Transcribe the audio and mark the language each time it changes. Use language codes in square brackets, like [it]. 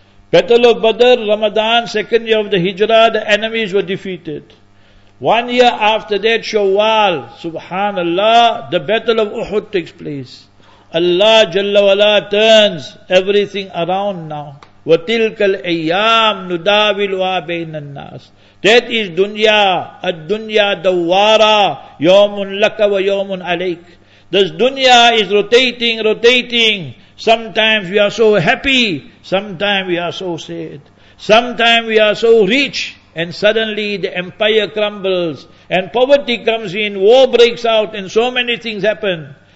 [en] Battle of Badr, Ramadan, second year of the Hijrah, the enemies were defeated. 1 year after that, Shawwal, subhanallah, the battle of Uhud takes place. Allah Jalla wa'ala turns everything around now. [ar] وَتِلْكَ الْأَيَّامُ نُدَاوِلُهَا بَيْنَ النَّاسِ. [en] That is dunya, [ar] الدُّنْيَا دَوَّارَ يَوْمٌ لَكَ وَيَوْمٌ عَلَيْكَ. [en] This dunya is rotating, rotating. Sometimes we are so happy, sometimes we are so sad. Sometimes we are so rich, and suddenly the empire crumbles, and poverty comes in, war breaks out, and so many things happen.